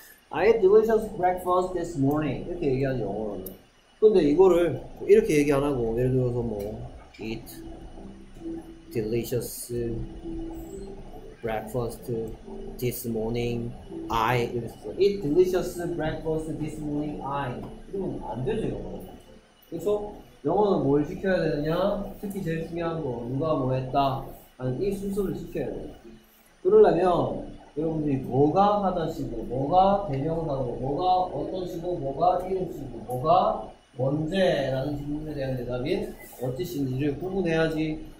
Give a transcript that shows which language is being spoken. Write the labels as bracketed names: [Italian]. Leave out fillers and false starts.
[English] I had delicious breakfast this morning. [Korean] 이렇게 얘기하지, 영어로는. 근데 이거를 이렇게 얘기 안 하고, 예를 들어서 뭐, [English] eat delicious breakfast this morning. I. eat delicious breakfast this morning. [Korean] I. 이러면 안 되죠, 영어로. 그쵸? 영어는 뭘 시켜야 되느냐? 특히 제일 중요한 거, 누가 뭐 했다? 아니, 이 순서를 시켜야 돼. 그러려면, 여러분들이 뭐가 하다시고, 뭐가 대명사고, 뭐가 어떤시고, 뭐가 이름시고, 뭐가 뭔데라는 질문에 대한 대답인 어찌신지를 구분해야지.